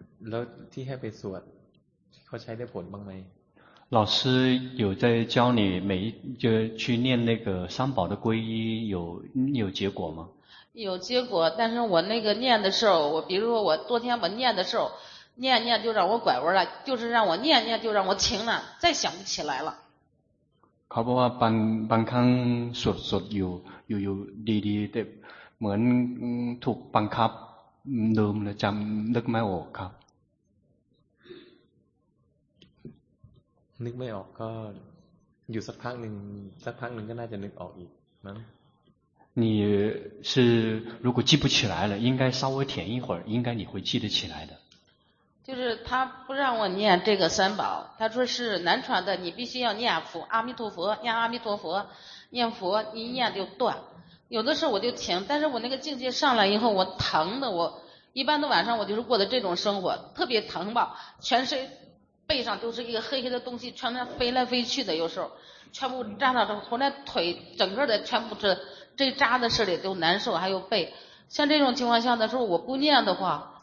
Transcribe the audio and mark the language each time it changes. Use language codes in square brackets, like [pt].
[th] แล้วที่ให้ไปสวดเขาใช้ได้ผลบ้างไหม [zh] 老师有在教你每就去念那个三宝的皈依有结果吗有结果但是我那个念的时候我比如说我昨天我念的时候念念就让我拐弯了就是让我念念就让我停了再想不起来了 [th] เขาบอกว่าบางครั้งสดอยู่ดีแต่เหมือนถูกบังคับลืมแล้วจำนึกไม่ออกครับ นึกไม่ออกก็อยู่สักพักหนึ่งก็น่าจะนึกออกอีกนะ [zh] 你是如果记不起来了应该稍微停一会儿应该你会记得起来的就是他不让我念这个三宝他说是南传的你必须要念佛阿弥陀佛念阿弥陀佛念佛一念就断有的时候我就停但是我那个境界上来以后我疼的我一般的晚上我就是过的这种生活特别疼吧全身背上都是一个黑黑的东西全在飞来飞去的有时候全部扎到这从那腿整个的全部这扎的事里都难受还有背像这种情况下的时候我不念的话